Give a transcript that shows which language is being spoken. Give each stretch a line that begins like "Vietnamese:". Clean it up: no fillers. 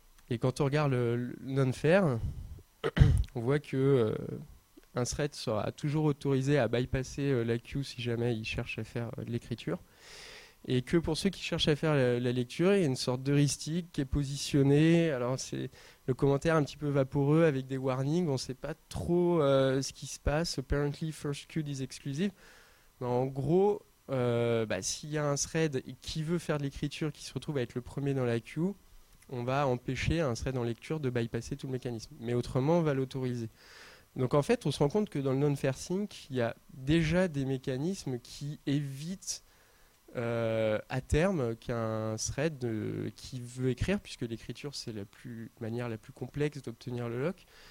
French: Et quand on regarde le non-fair, on voit qu'un thread sera toujours autorisé à bypasser la queue si jamais il cherche à faire l'écriture. Et que pour ceux qui cherchent à faire la lecture, il y a une sorte d'heuristique qui est positionnée. Alors c'est le commentaire un petit peu vaporeux avec des warnings. On ne sait pas trop ce qui se passe.
English: Apparently, first queue is exclusive.
French: Mais en gros, bah, s'il y a un thread qui veut faire de l'écriture, qui se retrouve à être le premier dans la queue, on va empêcher un thread en lecture de bypasser tout le mécanisme. Mais autrement, on va l'autoriser. Donc en fait, on se rend compte que dans le non-fair sync, il y a déjà des mécanismes qui évitent à terme qu'un thread qui veut écrire, puisque l'écriture, c'est la manière la plus complexe d'obtenir le lock.